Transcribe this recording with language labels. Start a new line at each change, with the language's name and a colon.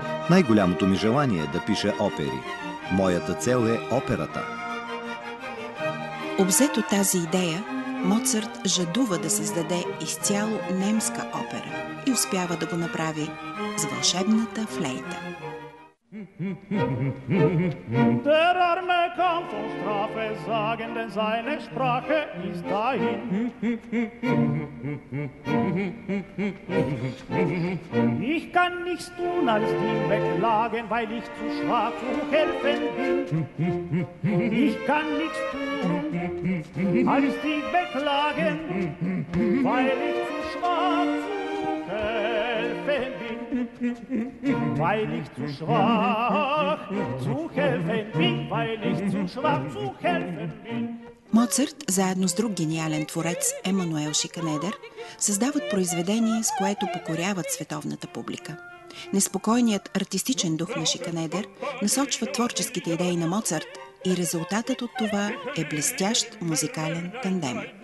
Bulgarian: Най-голямото ми желание е да пиша опери. Моята цел е операта. Обзет от тази идея, Моцарт жадува да създаде изцяло немска опера и успява да го направи с вълшебната флейта.
German: Der arme kam von Strafe sagen denn seine Sprache ist dahin. Ich kann nichts tun als die beklagen, weil ich zu schwach zu helfen bin. Ich kann nichts tun als die beklagen, weil ich zu schwach zu helfen bin. Weil ich zu schwach zu helfen bin, weil ich zu schwach zu helfen bin.
Bulgarian: Моцарт, заедно с друг гениален творец Емануел Шиканедер, създават произведение, с което покоряват световната публика. Неспокойният артистичен дух на Шиканедер насочва творческите идеи на Моцарт и резултатът от това е блестящ музикален тандем.